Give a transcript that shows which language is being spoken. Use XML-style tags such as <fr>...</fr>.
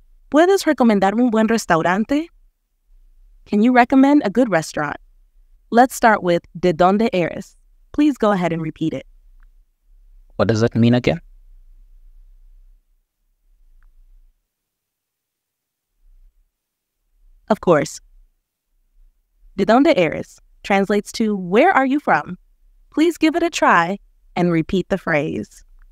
<es>¿Puedes recomendar un buen restaurante?</es> <en>Can you recommend a good restaurant? Let's start with ¿De dónde eres? Please go ahead and repeat it. What does that mean again? Of course. ¿De dónde eres? Translates to, where are you from? Please give it a try and repeat the phrase.</en>